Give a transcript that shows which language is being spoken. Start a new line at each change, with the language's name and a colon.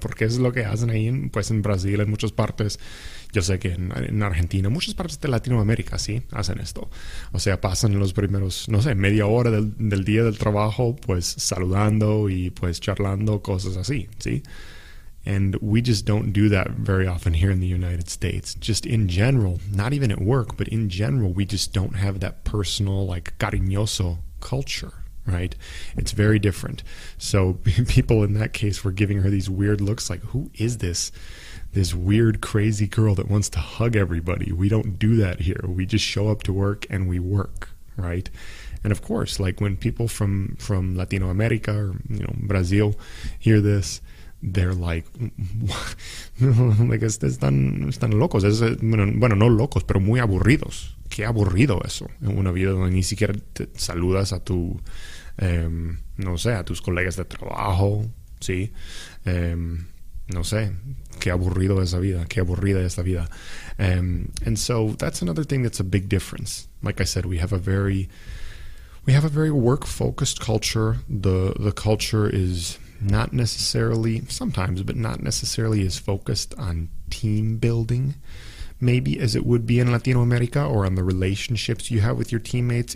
Spanish: Porque es lo que hacen ahí, pues en Brasil, en muchas partes. Yo sé que en Argentina, muchas partes de Latinoamérica, sí, hacen esto. O sea, pasan los primeros, no sé, media hora del día del trabajo, pues saludando y pues charlando, cosas así, ¿sí?
English: And we just don't do that very often here in the United States. Just in general, not even at work, but in general, we just don't have that personal, like, cariñoso culture, right? It's very different. So people in that case were giving her these weird looks like, who is this? This weird, crazy girl that wants to hug everybody. We don't do that here. We just show up to work and we work, right? And of course, like when people from Latino America or, you know, Brazil hear this, they're like, like,
Spanish: están locos. Bueno, no locos, pero muy aburridos. Qué aburrido eso. En una vida donde ni siquiera te saludas a tu, no sé, a tus colegas de trabajo, ¿sí? No sé. Qué aburrido esa vida. Qué aburrida esa vida.
English: And so that's another thing that's a big difference. Like I said, we have a very work-focused culture. The culture is not necessarily, sometimes, but not necessarily as focused on team building, maybe, as it would be in Latino America or on the relationships you have with your teammates.